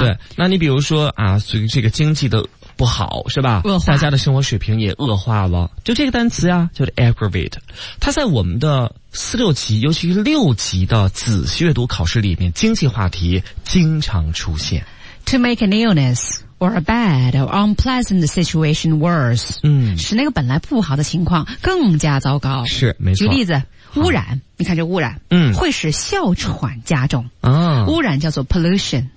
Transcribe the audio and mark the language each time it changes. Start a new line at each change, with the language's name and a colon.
Chinese: 对，那你比如说啊，随这个经济的不好，是吧？恶化，大家的生活水平也恶化了。就这个单词啊，就是 aggravate， 它在我们的四六级，尤其是六级的仔细阅读考试里面，经济话题经常出现。
English: To make an illness or a bad or unpleasant situation worse，
Chinese: 使那个本来不好的情况更加糟糕。是，没错。举例子。污染，你看这污染，会使哮喘加重啊。污染叫做 pollution，